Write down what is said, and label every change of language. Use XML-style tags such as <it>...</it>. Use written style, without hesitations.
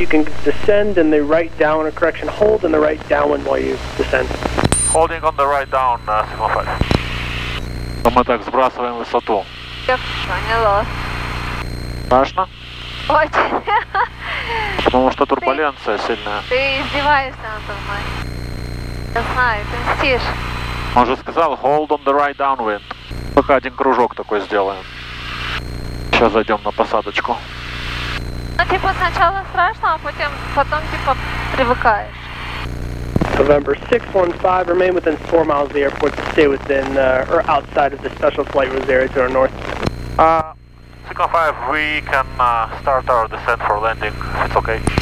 <en>You can descend in the right down, or correction, hold in the right downwind while you descend. Holding on the right down, 615.</en> <ru>Но мы так сбрасываем высоту. Я поняла. Страшно? Очень. Потому что турбуленция сильная. Ты издеваешься надо мной. Я знаю, ты мстишь. Он же сказал,</ru> <en>hold on the right downwind.</en> <ru>Пока один кружок такой сделаем. Сейчас зайдем на посадочку. Ну типа сначала страшно, а потом типа привыкаешь.</ru> <en>November 615, remain within 4 miles of the airport to stay within or outside of the special flight route area to our north. 615, we can start our descent for landing, if it's okay.</en>